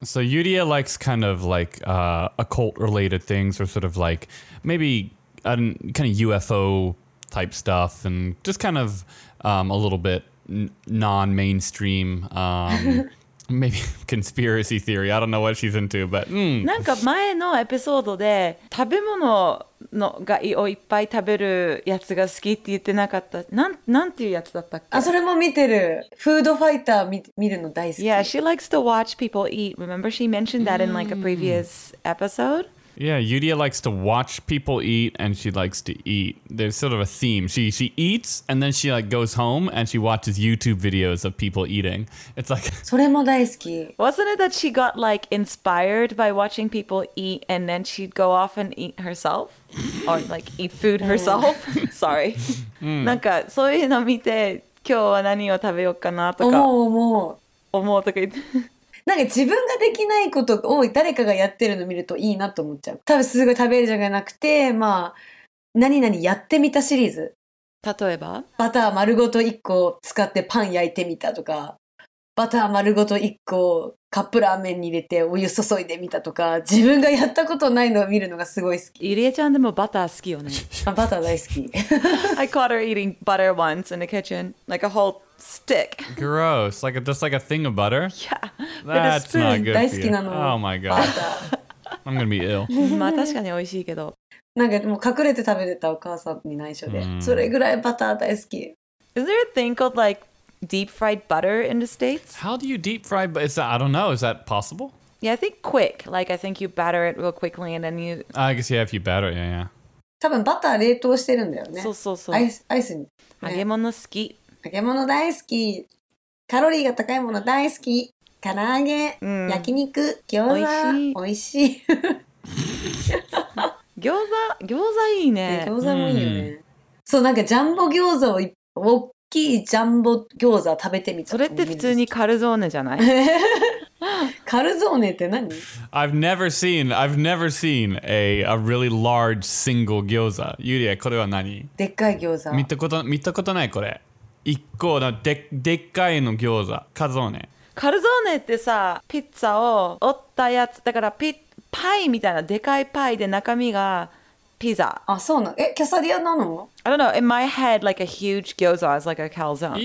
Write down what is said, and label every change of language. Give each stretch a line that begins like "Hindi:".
English: So Yuria likes kind of like occult related things or sort of like maybe kind of UFO type stuff and just kind of a little bit non-mainstream maybe conspiracy theory. I don't know what she's into, but...
Japanese: なんか前のエピソードで食べ物をいっぱい食べるやつが好きって言ってなかった。なんていうやつだったっけ？あ、それも見てる。フードファイター見るの大好き。
English: Yeah, she likes to watch people eat. Remember she mentioned that in like a previous episode? Yeah, Yuria likes to watch people eat and she likes to eat. There's sort of a theme. She eats and then she like goes home and she watches YouTube videos of people eating. It's like
Japanese: それも大好き。
English: Wasn't it that she got like inspired by watching people eat and then she'd go off and eat herself? Or like eat food herself? Sorry.
Japanese: なんかそういうの見て今日は何を食べようかなとか思うとか言って。なんか自分ができないことを誰かがやってるの見るといいなと思っちゃう。多分すぐ食べるじゃなくて、まあ、何々やってみたシリーズ。例えば？バター丸ごと1個使ってパン焼いてみたとか、バター丸ごと1個カップラーメンに入れてお湯注いでみたとか、自分がやったことないのを見るのがすごい好き。ゆりえちゃんでもバター好きよね。あ、バター大好き。
English: I caught her eating butter once in the kitchen, like a whole... Stick. Gross. Like a, just like a thing of butter? Yeah. That's not good.
Japanese: 大好きなの。
English: Oh my god. I'm gonna be ill.
Japanese: まあ確かに美味しいけど。なんかもう隠れて食べてたお母さんに内緒で。それぐらいバター大好き。
English: Is there a thing called like deep fried butter in the States? How do you deep fry? Is that, I don't know. Is that possible? Yeah, I think quick. Like I think you batter it real quickly and then you... I guess yeah, if you batter it, yeah.
Japanese: 多分バター冷凍してるんだよね。そうそうそう。アイスに。揚げ物好き。揚げ物大好き。カロリーが高いもの大好き。唐揚げ、焼肉、餃子、おいしい。餃子いいね。餃子もいいよね。そう、なんかジャンボ餃子を、大きいジャンボ餃子を食べてみた。それって普通にカルゾーネじゃない？カルゾーネって何？
English: I've never seen a really large single 餃子。
Japanese: ユリア、これは何？でっかい餃子。見たことないこれ。一個の でっかいの餃子、カルゾーネ。カルゾーネってさ、ピッツァを折ったやつ、だからパイみたいな、でかいパイで中身がピザ。あ、そうなの？え、キャサディアなの？
English: I don't know, in my head, like a huge gyoza is like a calzone.